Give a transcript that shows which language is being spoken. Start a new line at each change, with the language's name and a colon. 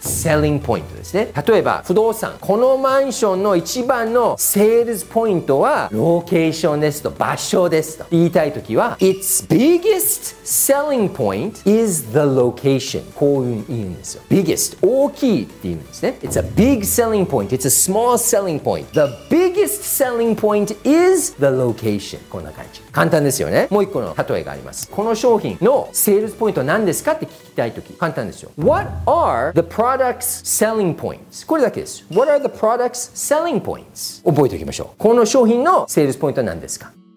Japanese: セーリングポイントですね。例えば不動産、このマンションの一番のセールスポイントはロケーションですと、場所ですと言いたい時は
English: Its biggest selling point is the location。
Japanese: こういうの言うんですよ。 Biggest、 大きいって言うんですね。
English: It's a big selling point、 It's a small selling point、 The biggest selling point is the location。
Japanese: こんな感じ、簡単ですよね。もう一個の例えがあります。この商品のセールスポイントは何ですかって聞きたい時、簡単ですよ。
English: What are the product's selling points？
Japanese: これだけです。
English: What are the product's selling points？
Japanese: 覚えておきましょう。この商品のセールスポイントは何ですか。